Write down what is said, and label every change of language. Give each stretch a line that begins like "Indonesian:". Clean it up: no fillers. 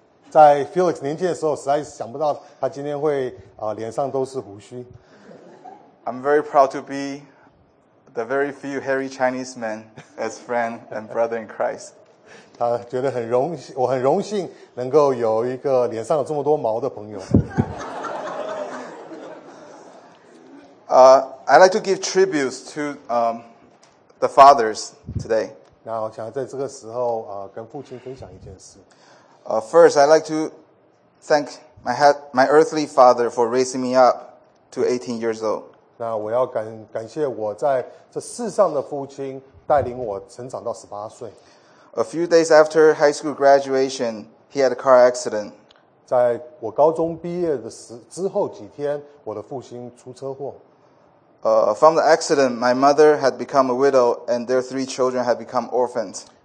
Chinese: 在 Felix 年轻的时候，实在想不到他今天会脸上都是胡须。
English: I'm very proud to be the very few hairy Chinese men as friend and brother in Christ.
Chinese: 他觉得很荣幸，我很荣幸能够有一个脸上有这么多毛的朋友。
English: I'd like to give tributes to the fathers today.
Chinese: 那我想在这个时候, 跟父亲分享一件事。
English: First, I'd like to thank my earthly father for raising me up to 18 years old.
Chinese: 那我要感谢我在这世上的父亲带领我成长到18岁。
English: A few days after high school graduation, he had a car accident.
Chinese: 在我高中毕业之后几天，我的父亲出车祸。
English: From the accident, my mother had become a widow and their three children had become orphans.